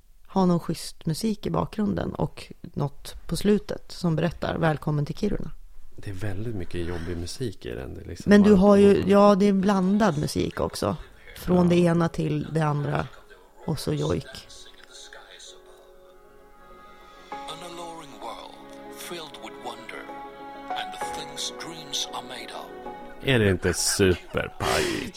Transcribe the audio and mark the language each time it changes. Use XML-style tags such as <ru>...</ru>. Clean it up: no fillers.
<sv>Ha någon schysst musik i bakgrunden och något på slutet som berättar välkommen till Kiruna. Det är väldigt mycket jobbig musik i den. Det är liksom men du har ju, ja det är blandad musik också. Från det ena till det andra och så jojk.</sv> <en>An alluring world filled with wonder and the things dreams are made of.</en> <sv>Är det inte superpajigt?</sv>